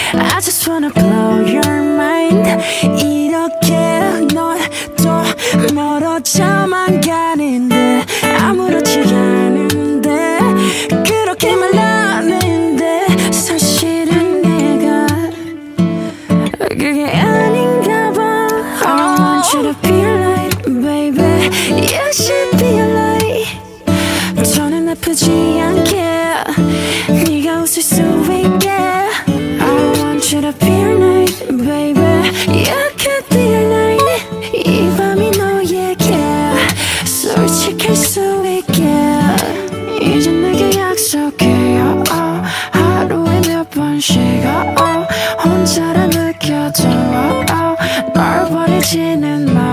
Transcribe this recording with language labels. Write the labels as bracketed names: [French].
[English] I just wanna blow your mind. [Korean] 이렇게 넌 또 멀어져만 가는데. 아무렇지 않은데 그렇게 말하는데 사실은 내가 그게 아닌가 봐. [English] I want you to be a light, baby. You should be a light. [Korean] 저는 아프지 않게 네가 웃을 수 있게. [English] I want you to be a night, baby. You could be a night. [Korean] 이 밤이 너에게 솔직할 수 있게. 이제 내게 약속해요. 하루에 몇 번씩 혼자라 느껴져. 널 버리지는 않아.